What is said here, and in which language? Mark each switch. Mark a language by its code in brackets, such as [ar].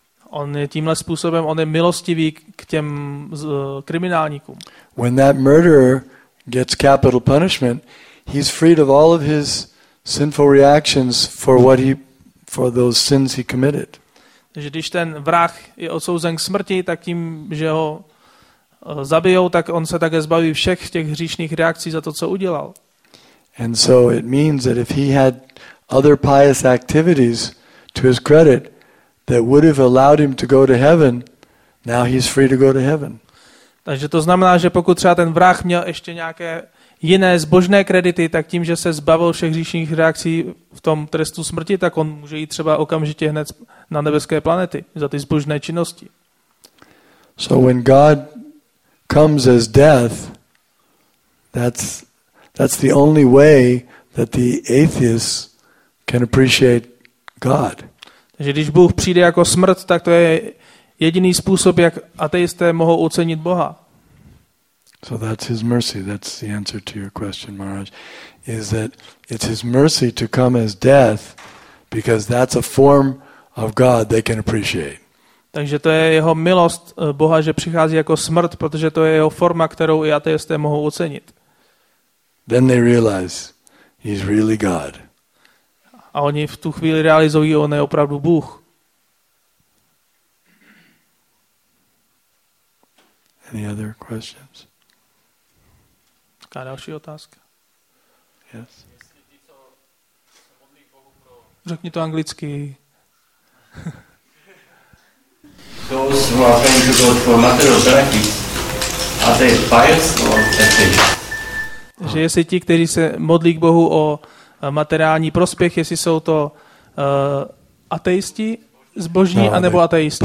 [cs] On je tímhle způsobem, on je milostivý k těm kriminálníkům. [en] When that murderer gets capital punishment, he's freed of all of his sinful reactions for those sins he committed. [cs] Takže když ten vrah je odsouzen k smrti, tak tím, že ho zabijou, tak on se také zbaví všech těch hříšných reakcí za to, co udělal. [en] And so it means that if he had other pious activities to his credit that would have allowed him to go to heaven, now he's free to go to heaven. [cs] Takže to znamená, že pokud třeba ten vrah měl ještě nějaké jiné zbožné kredity, tak tím, že se zbavil všech hříšných reakcí v tom trestu smrti, tak on může jít třeba okamžitě hned na nebeské planety za ty zbožné činnosti. [en] So when God comes as death, that's the only way that the atheists can appreciate God. [cs] Takže když Bůh přijde jako smrt, tak to je jediný způsob, jak ateisté mohou ocenit Boha. [en] So that's his mercy. That's the answer to your question, Maharaj. Is that it's his mercy to come as death because that's a form of God they can appreciate. [cs] Takže to je jeho milost Boha, že přichází jako smrt, protože to je jeho forma, kterou i ateisté mohou ocenit. [en] Then they realize he's really God. [cs] A oni v tu chvíli realizují, on je opravdu Bůh. [en] Any other questions? [cs] Taká další otázka. [en] Yes. [cs] Řekni to anglicky. [en] Those who are going to go for material benefits, are they pious or atheists? [cs] Že jestli ti, kteří se modlí k Bohu o materiální prospěch, jestli jsou to ateisti, zbožní, anebo ateisti.